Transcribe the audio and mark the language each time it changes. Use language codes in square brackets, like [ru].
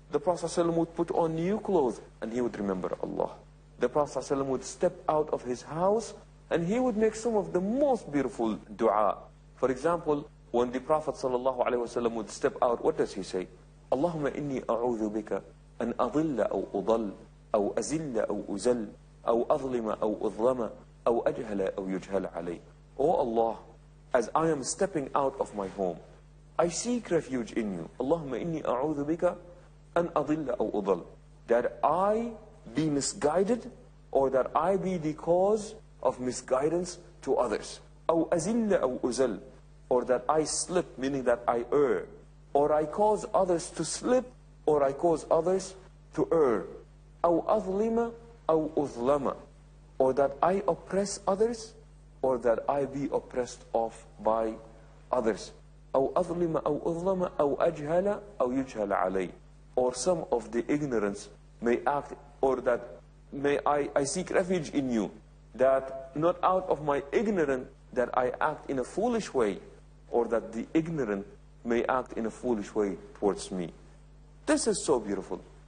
[en] The Prophet [ar] sallallahu alayhi wa sallam [en] would put on new clothes and he would remember Allah. The Prophet [ar] sallallahu alayhi wa sallam [en] would step out of his house and he would make some of the most beautiful dua. For example, when the Prophet [ar] sallallahu alayhi wa sallam [en] would step out, what does he say? [ar] Allahumma inni a'udhu bika an adilla aw udall. أو أزل أو أزل أو أظلم أو أظلم أو أجهل أو يجهل علي. [en] Oh Allah, as I am stepping out of my home, I seek refuge in you. [ar] اللهم إني أعوذ بك أن أضل أو أضل. [en] That I be misguided or that I be the cause of misguidance to others. [ar] أو أزل أو أزل. [en] Or that I slip, meaning that I err. Or I cause others to slip or I cause others to err. [ar] أو أظلم أو أظلم. [en] Or that I oppress others or that I be oppressed of by others. [ar] أو أظلم أو أظلم أو أجهل أو يجهل علي. [en] Or some of the ignorance may act or that may I seek refuge in you. That not out of my ignorance that I act in a foolish way or that the ignorant may act in a foolish way towards me. This is so beautiful.